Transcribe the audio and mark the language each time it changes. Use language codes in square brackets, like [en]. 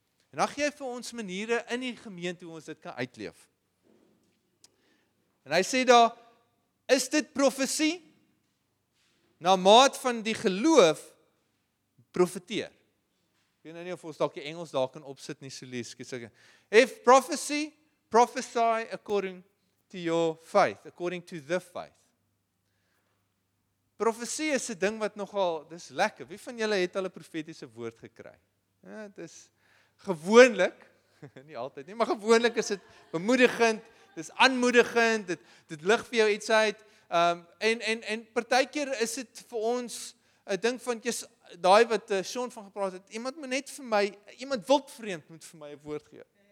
[af] En dan gee hy vir ons maniere in die gemeente, hoe ons dit kan uitleef. En hy sê daar, is dit profesie? Na maat van die geloof, profeteer. Ek weet nou nie of ons dalk die Engels daar kan opsit nie, so lees, kies ek. [en] If prophecy, prophesy according to your faith, according to the faith. [af] Profesie is 'n ding wat nogal, dis lekker. Wie van julle het al 'n profetiese woord gekry? Ja, dit is gewoonlik, nie altyd nie, maar gewoonlik is dit bemoedigend, dis aanmoedigend, dit lig vir jou iets uit. En partykeer is dit vir ons 'n ding van jy's daai wat Sean van gepraat het, iemand moet net vir my, iemand wild vreemd moet vir my 'n woord gee.